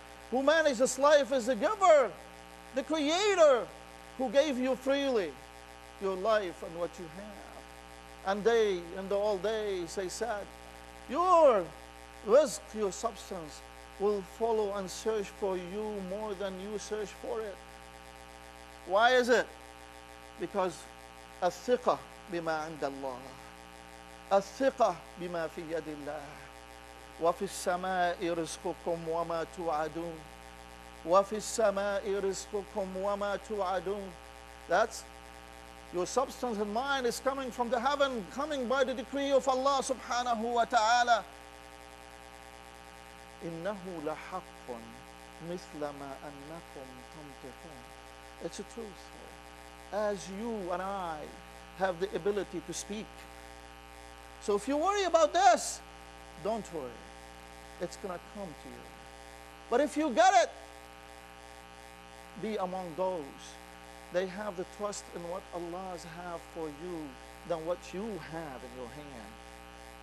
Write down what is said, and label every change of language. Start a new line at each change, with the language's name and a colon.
English: Who managed this life is the giver, the creator, who gave you freely your life and what you have. And they, in the old days, they said, Your risk, your substance will follow and search for you more than you search for it. Why is it? Because
Arabic: الثقة بما عند الله. الثقة بما في يد الله. وفي السماء رزقكم وما توعدون. وفي السماء رزقكم وما توعدون.
English: That's your substance and mind is coming from the heaven, coming by the decree of Allah subhanahu wa ta'ala.
Arabic: إنه لحق مثل ما أنكم تنطقون.
English: It's a truth. As you and I have the ability to speak. So if you worry about this, don't worry. It's going to come to you. But if you get it, be among those. They have the trust in what Allah has for you than what you have in your hand.